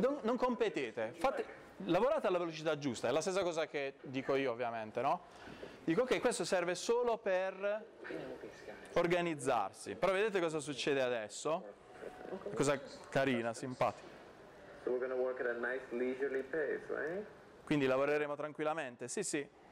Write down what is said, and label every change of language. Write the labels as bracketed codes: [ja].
[it] non competete, fate, lavorate alla velocità giusta, è la stessa cosa che dico io ovviamente, no? Dico che okay, questo serve solo per organizzarsi, però vedete cosa succede adesso? Una cosa carina, simpatica. [en] So we're gonna work at a nice leisurely pace, right? [it] Quindi lavoreremo tranquillamente, sì sì.